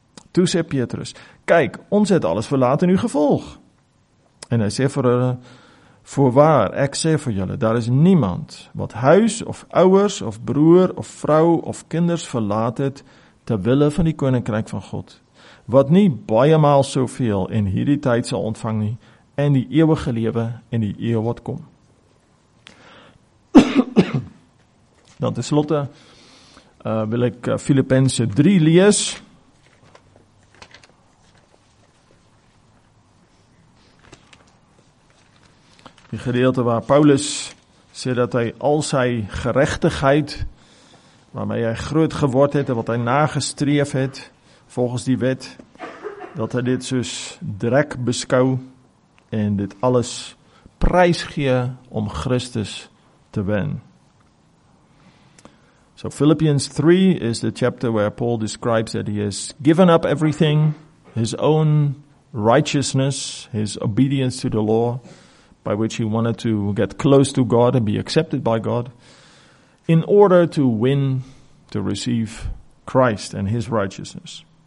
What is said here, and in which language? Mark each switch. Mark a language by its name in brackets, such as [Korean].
[Afrikaans] Toe sê Petrus, kyk, ons het alles verlaat in u gevolg. En hy sê vir hulle, voorwaar, ek sê vir julle, daar is niemand wat huis of ouers of broer of vrou of kinders verlaat het ter wille van die koninkrijk van God, wat nie baie maal soveel in hierdie tyd sal ontvang nie en die eeuwige lewe in die eeuw wat kom. Dan tenslotte wil ek Filippense 3 lees. Die gedeelte waar Paulus sê dat hy al sy gerechtigheid, waarmee hy groot geword het en wat hy nagestreef het, volgens die wet, dat hy dit soos drek beskou en dit alles prysgee om Christus te wen. [English] So Philippians 3 is the chapter where Paul describes that he has given up everything, his own righteousness, his obedience to the law, by which he wanted to get close to God and be accepted by God, in order to win, to receive Christ and his righteousness.